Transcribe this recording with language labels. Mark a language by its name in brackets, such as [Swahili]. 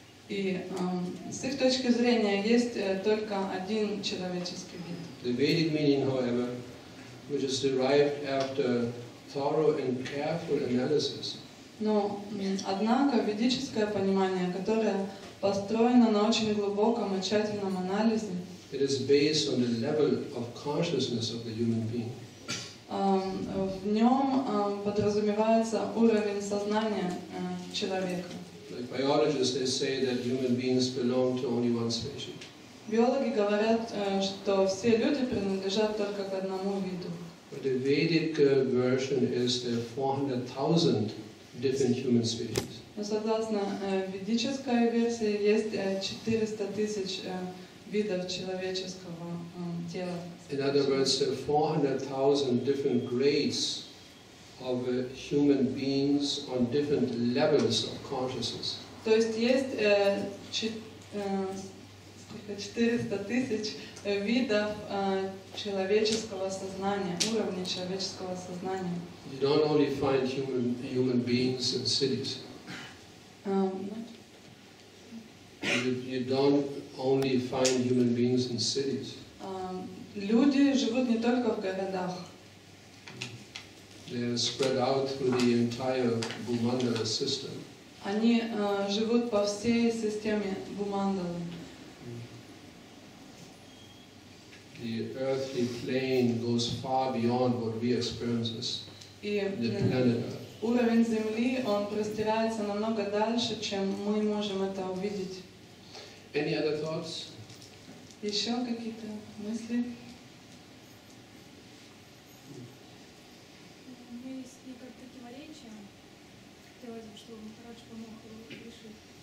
[Russian] И с их точки зрения есть только один человеческий вид. [English] The Vedic meaning, however, which is derived after thorough and careful analysis. [Russian] Но, однако, ведическое понимание, которое построено на очень глубоком и тщательном анализе, [English] it is based on the level of consciousness of the human being. [Russian] В нем подразумевается уровень сознания человека. [English] Like biologists, they say that human beings belong to only one species. [Russian] Биологи говорят, что все люди принадлежат только к одному виду. [English] But the Vedic version is the 400,000 different human species. [Russian] Но согласно ведической версии есть 400,000 видов человеческого тела. тела. [English] In other words, 400,000 different grades of human beings on different levels of consciousness. [Russian] То есть есть 400,000 видов человеческого сознания, уровней человеческого сознания. [English] You don't only find human beings in cities. You don't only find human beings in cities. [Russian] Люди живут не только в городах. [English] They are spread out through the entire Бумандала system. [Russian] Они живут по всей системе Бумандалы. [English] The earthly plane goes far beyond what we experience as the planet Earth. [Russian] Уровень Земли, он простирается намного дальше, чем мы можем это увидеть. [English] Any other thoughts? [Russian] Еще какие-то мысли? Есть некое противоречие. Хотелось бы, чтобы Махарадж помог решить.